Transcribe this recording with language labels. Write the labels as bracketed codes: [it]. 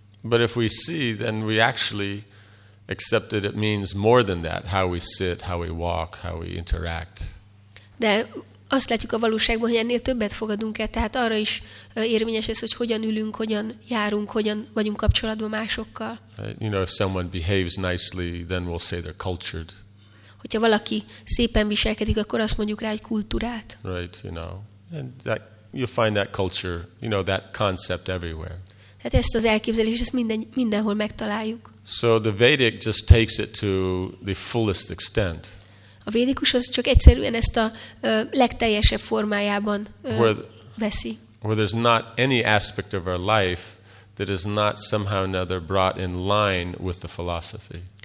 [en] But if we see, then we actually accept that it means more than that, how we sit, how we walk, how we interact. [hu] De Azt látjuk a valóságban, hogy ennél többet fogadunk el, tehát arra is érvényes ez, hogy hogyan ülünk, hogyan járunk, hogyan vagyunk kapcsolatban másokkal. [en] You know, if someone behaves nicely, then we'll say they're cultured. [hu] Hogyha valaki szépen viselkedik, akkor azt mondjuk rá, hogy kultúrát. [en] Right, you know. And that, you'll find that culture, you know, that concept everywhere. [hu] Tehát ezt az elképzelést, ezt mindenhol megtaláljuk. [en] So the Vedic just takes it to the fullest extent. [hu] A védikus az csak egyszerűen ezt a legteljesebb formájában veszi. [en] Where there's not any aspect of our life that is not somehow or another brought in line with the philosophy.